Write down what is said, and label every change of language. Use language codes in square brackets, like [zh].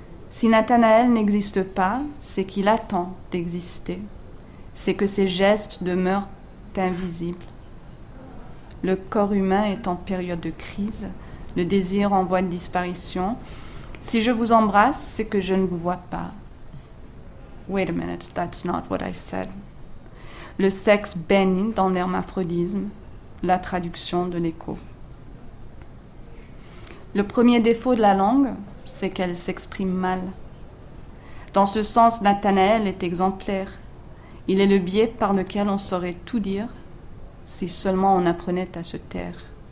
[fr] Si Nathanaël n'existe pas, c'est qu'il attend d'exister. C'est que ses gestes demeurent invisibles. Le corps humain est en période de crise, le désir en voie de disparition. Si je vous embrasse, c'est que je ne vous vois pas. [en] Wait a minute, that's not what I said. [fr] Le sexe baigne dans l'hermaphrodisme, la traduction de l'écho. Le premier défaut de la langue, c'est qu'elle s'exprime mal. Dans ce sens, Nathanaël est exemplaire. Il est le biais par lequel on saurait tout dire si seulement on apprenait à se taire.